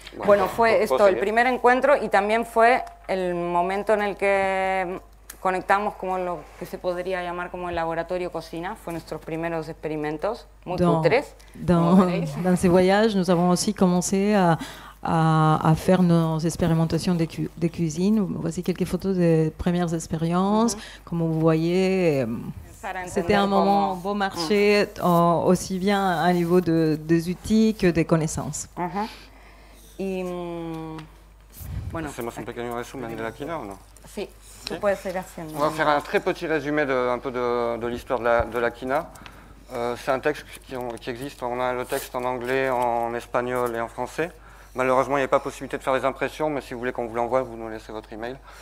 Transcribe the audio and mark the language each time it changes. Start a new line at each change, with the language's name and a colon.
Spanish: Bueno, fue esto, el primer encuentro, y también fue el momento en el que conectamos como lo que se podría llamar como el laboratorio cocina. Fue nuestros primeros experimentos, muy tres.
French: Dans ces voyages, nous avons aussi commencé à faire nos expérimentations de cuisine. Voici quelques photos des premières expériences. Mm-hmm. Comme vous voyez, c'était un moment bon marché, aussi bien à niveau des outils que des connaissances.
Spanish: Uh-huh. Y, bueno, hacemos un pequeño resumen de la quina, ¿o no? Sí, tú puedes seguir haciendo.
French: On va faire un très petit résumé de l'histoire de la quina. C'est un texte qui existe. On a le texte en anglais, en espagnol et en français. Malheureusement, il n'y a pas possibilité de faire des impressions, mais si vous voulez qu'on vous l'envoie, vous nous laissez votre email.